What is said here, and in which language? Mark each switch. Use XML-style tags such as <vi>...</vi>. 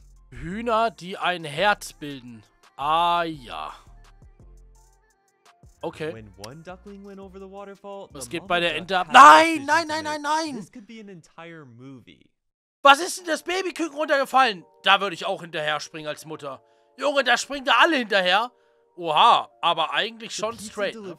<de>Hühner, die ein Herz bilden. Ah ja. Okay.</de> <en>When one duckling went over the waterfall,</en> <de>was geht bei der Ente ab? Nein!</de> <en>This could be an entire movie.</en> <de>Was ist denn das Babyküken runtergefallen? Da würde ich auch hinterher springen als Mutter. Junge, da springen da alle hinterher. Oha, aber eigentlich schon straight.</de>